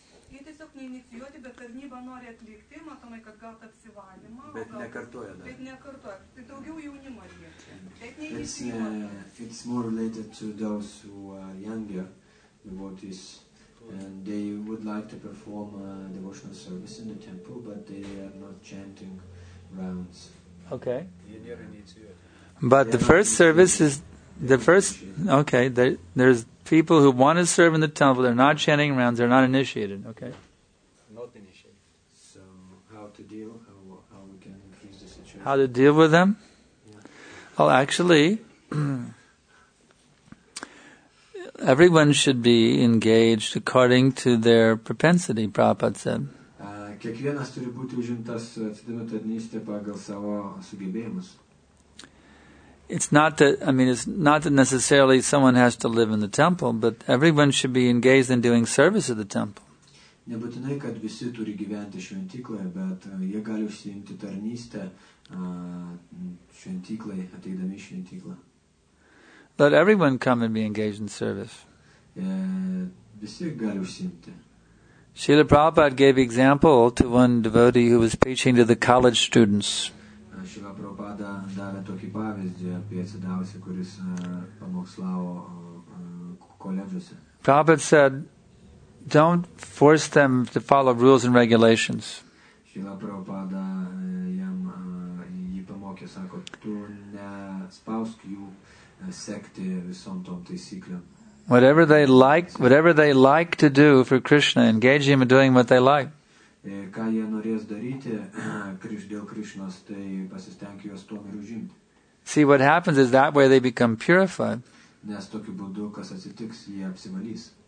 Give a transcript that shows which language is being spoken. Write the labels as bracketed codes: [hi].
[lt] Jie tiesiog neinicijuoti, bet tarnybą nori atlikti, matomai, kad gauti apsivalymą. Bet nekartuoja dar. Bet nekartuoja. Tai daugiau jaunimo liečia. Bet neinicijuoti. [en] It's more related to those who are younger devotees. Who And they would like to perform devotional service in the temple, but they are not chanting rounds. Okay. But the first service is the first. Okay, there's people who want to serve in the temple. They're not chanting rounds. They're not initiated. Okay. Not initiated. So how to deal? How we can increase the situation? How to deal with them? Yeah. Well, actually, everyone should be engaged according to their propensity, Prabhupada said. [lt] Kiekvienas turi būti užimtas atsidėjimo tarnystė pagal savo sugebėjimus. [en] It's not that necessarily someone has to live in the temple, but everyone should be engaged in doing service at the temple. [lt] Nebūtinai, kad visi turi gyventi šventykloje, bet jie gali užsiimti tarnystę šventyklai, ateidami į šventyklą. [en] Let everyone come and be engaged in service. [lt] Visi gali užsiimti. [en] Srila Prabhupada gave example to one devotee who was preaching to the college students. [lt] Srila Prabhupada davė tokį pavyzdį apie atsidavusį, kuris pamokslavo koledžiuose. [en] Prabhupada said, don't force them to follow rules and regulations. [lt] Srila Prabhupada jam jį pamokė, sako, tu nespausk jų sekti visom tom taisyklėm. [en] Whatever they like to do for Krishna, engage him in doing what they like. [lt] Ką jie norės daryti dėl Krishnos, tai pasistengti juos tom ir užimti. [en] See, what happens is that way they become purified. [lt] Nes tokiu būdu, kas atsitiks, jie apsivalys.